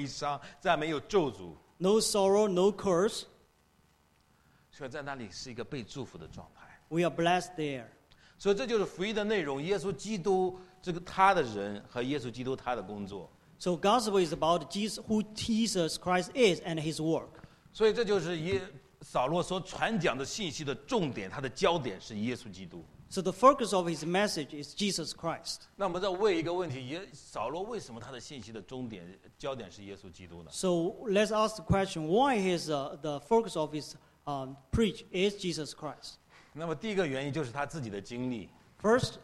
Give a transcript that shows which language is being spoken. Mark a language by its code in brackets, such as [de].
[zh] 再没有痛苦，再没有眼泪，再没有悲伤，再没有咒诅。 [en] No sorrow, no curse. [zh] 所以在那里是一个被祝福的状态。 [en] We are blessed there. [zh] 所以这就是福音的内容，耶稣基督这个他的人和耶稣基督他的工作。 [en] So gospel is about Jesus, who Jesus Christ is and His work. [zh] 所以这就是扫罗所传讲的信息的重点，他的焦点是耶稣基督。 [en] So the focus of his message is Jesus Christ. [zh] 那我们再问一个问题，扫罗为什么他的信息的焦点是耶稣基督呢？ [en] So let's ask the question: Why is the focus of his preach is Jesus Christ? [zh] 那么第一个原因就是他自己的经历。 [en] First